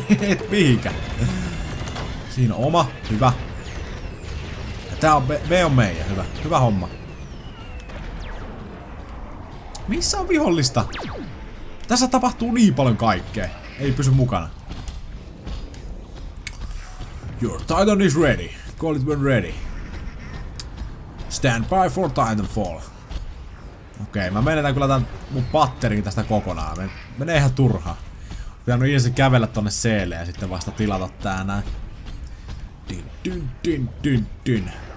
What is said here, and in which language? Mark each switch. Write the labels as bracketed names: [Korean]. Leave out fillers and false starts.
[Finnish] Et mihinkä. Siinä oma. Hyvä. Ja tää on B on meidän. Hyvä. Hyvä homma. Missä on vihollista? Tässä tapahtuu niin paljon kaikkea. Ei pysy mukana. [English] Your Titan is ready. Call it when ready. Stand by for Titanfall. [Finnish] Okei, mä menetän kyllä tän mun batterin tästä kokonaan. Menee ihan turha. Pitänyt itse kävellä tonne C:lle ja sitten vasta tilata tää näin. Dyn dyn dyn dyn dyn.